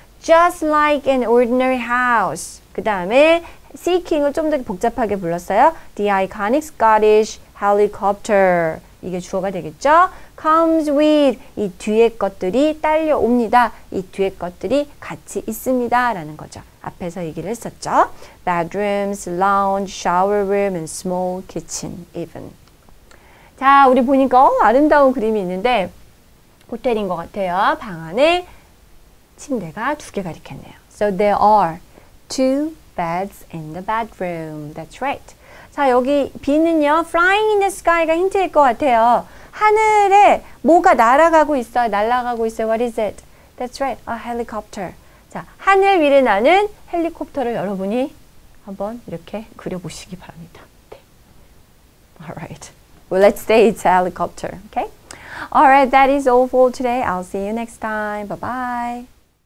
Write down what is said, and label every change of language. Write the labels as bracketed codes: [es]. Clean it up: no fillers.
[en] Just like an ordinary house. [ko] 그 다음에 Seeking을 좀 더 복잡하게 불렀어요. [en] The iconic Scottish helicopter. [ko] 이게 주어가 되겠죠? comes with 이 뒤에 것들이 딸려옵니다. 이 뒤에 것들이 같이 있습니다. 라는 거죠. 앞에서 얘기를 했었죠. [en] bedrooms, lounge, shower room, and small kitchen even. [ko] 자, 우리 보니까 아름다운 그림이 있는데 호텔인 것 같아요. 방 안에 침대가 두 개가 이렇게 있네요. [en] So there are two beds in the bedroom. That's right. [ko] 자, 여기 비는요, [en] flying in the sky [ko] 가 힌트일 것 같아요. 하늘에 뭐가 날아가고 있어요. 날아가고 있어요. [en] What is it? That's right. A helicopter. [ko] 자, 하늘 위를 나는 헬리콥터를 여러분이 한번 이렇게 그려보시기 바랍니다. [en] 네. Alright. Well, let's say it's a helicopter. Okay? Alright, that is all for today. I'll see you next time. Bye-bye.